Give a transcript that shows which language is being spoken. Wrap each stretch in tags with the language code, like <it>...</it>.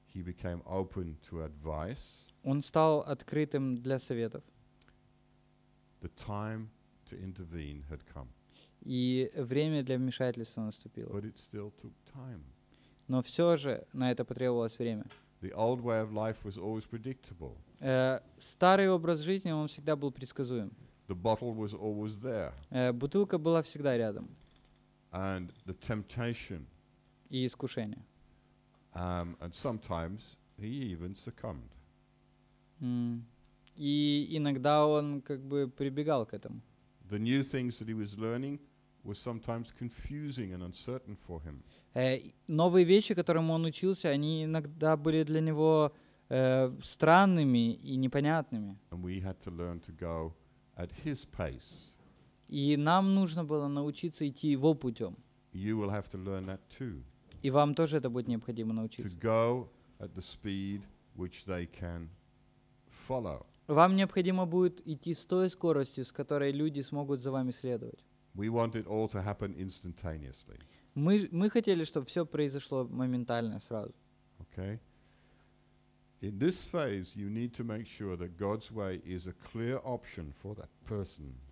<en>He became open to advice.</en> <ru>Он стал открытым для советов.</ru> <en>The time to intervene had come.</en> <ru>И время для вмешательства наступило.</ru> <en>But it still took time.</en> <ru>Но все же на это потребовалось время.</ru> <en>The old way of life was always predictable.</en> <ru>Старый образ жизни, он всегда был предсказуем.</ru> <en>The bottle was always there.</en> <ru>Бутылка была всегда рядом.</ru> <en>And the temptation.</en> <ru>И искушение.</ru> <en>And sometimes he even succumbed.</en> <ru>И иногда он как бы прибегал к этому.</ru> <en>The new things that he was learning were sometimes confusing and uncertain for him.</en> <ru>Новые вещи, которым он учился, они иногда были для него странными и непонятными.</ru> <en>And we had to learn to go at his pace.</en> <ru>И нам нужно было научиться идти его путем.</ru> <en>You will have to learn that too.</en> <ru>И вам тоже это будет необходимо научиться.</ru> <en>To go at the speed which they can follow.</en> <ru>Вам необходимо будет идти с той скоростью, с которой люди смогут за вами следовать.</ru> <en>We want it all to happen instantaneously.</en> <ru>Мы хотели, чтобы все произошло моментально, сразу.</ru> <en>Okay. In this phase, you need to make sure that God's way is a clear option for that person.</en>